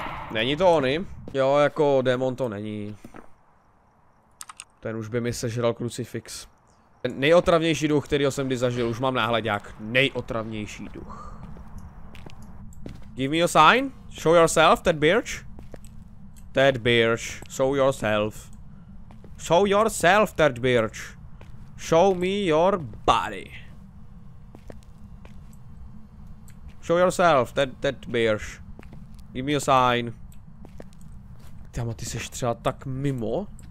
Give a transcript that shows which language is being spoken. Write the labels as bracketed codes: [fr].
[cs] Není to ony? Jo, jako démon to není. Ten už by mi sežral krucifix. Ten nejotravnější duch, kterýho jsem kdy zažil, už mám náhleďák. Nejotravnější duch. [en] Give me a sign, show yourself, Ted Birch. Ted Birch, show yourself. Show yourself, Ted Birch. Show me your body. Show yourself, Ted Birch. Give me a sign. [cs] Tyma, ty seš třeba tak mimo.